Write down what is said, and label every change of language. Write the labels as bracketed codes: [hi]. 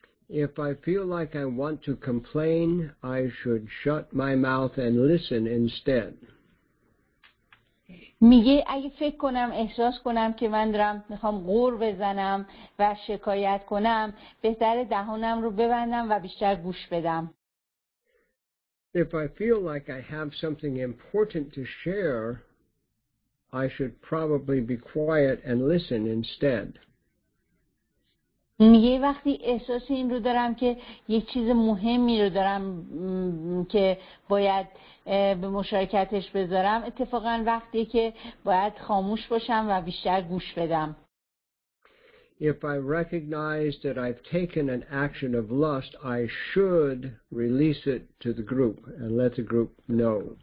[en] If I feel like I want to complain, I should shut my mouth and listen instead. [fa] میگه اگه فکر کنم احساس کنم که من دارم میخوام غر بزنم و شکایت کنم بهتره دهانم رو ببندم و بیشتر گوش بدم. [en] If I feel like I have something important to share, I should probably be quiet and listen instead. [fa] میگه وقتی احساس این رو دارم که یک چیز مهمی رو دارم که باید به مشارکتش بذارم اتفاقا وقتی که باید خاموش باشم و بیشتر گوش بدم. [en] If I recognize that I've taken an action of lust, I should release it to the group and let the group know.